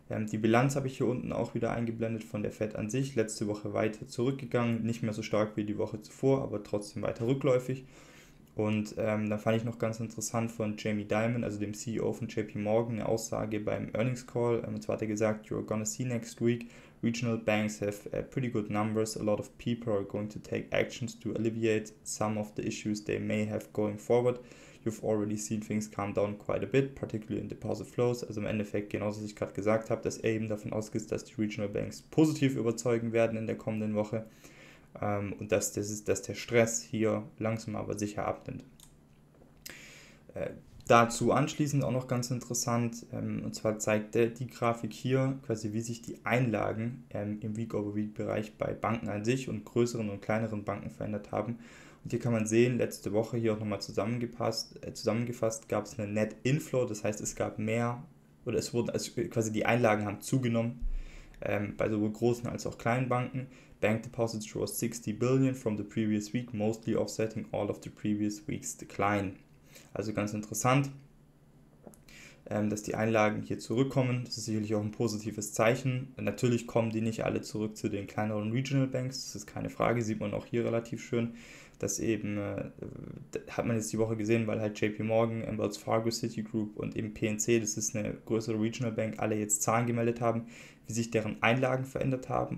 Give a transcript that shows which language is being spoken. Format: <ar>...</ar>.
<de>Die Bilanz habe ich hier unten auch wieder eingeblendet von der Fed an sich. Letzte Woche weiter zurückgegangen, nicht mehr so stark wie die Woche zuvor, aber trotzdem weiter rückläufig. Und da fand ich noch ganz interessant von Jamie Dimon, also dem CEO von JP Morgan, eine Aussage beim Earnings Call. Und zwar hat er gesagt:</de> <en>You're gonna see next week. Regional banks have pretty good numbers. A lot of people are going to take actions to alleviate some of the issues they may have going forward. You've already seen things calm down quite a bit, particularly in deposit flows.</en> <de>Also im Endeffekt, genauso wie ich gerade gesagt habe, dass er eben davon ausgeht, dass die Regional Banks positiv überzeugen werden in der kommenden Woche. Und dass der Stress hier langsam aber sicher abnimmt. Dazu anschließend auch noch ganz interessant, und zwar zeigt die Grafik hier quasi, wie sich die Einlagen im Week-over-Week-Bereich bei Banken an sich und größeren und kleineren Banken verändert haben. Und hier kann man sehen, letzte Woche hier auch nochmal zusammengefasst, gab es eine Net-Inflow, das heißt, es gab mehr oder es wurden also quasi die Einlagen haben zugenommen bei sowohl großen als auch kleinen Banken.</de> <en>Bank deposits rose 60 billion from the previous week, mostly offsetting all of the previous week's decline.</en> <de>Also ganz interessant, dass die Einlagen hier zurückkommen. Das ist sicherlich auch ein positives Zeichen. Natürlich kommen die nicht alle zurück zu den kleineren Regional Banks. Das ist keine Frage. Sieht man auch hier relativ schön. Das eben hat man jetzt die Woche gesehen, weil halt JP Morgan, Wells Fargo, Citigroup und eben PNC, das ist eine größere Regional Bank, alle jetzt Zahlen gemeldet haben, wie sich deren Einlagen verändert haben.</de>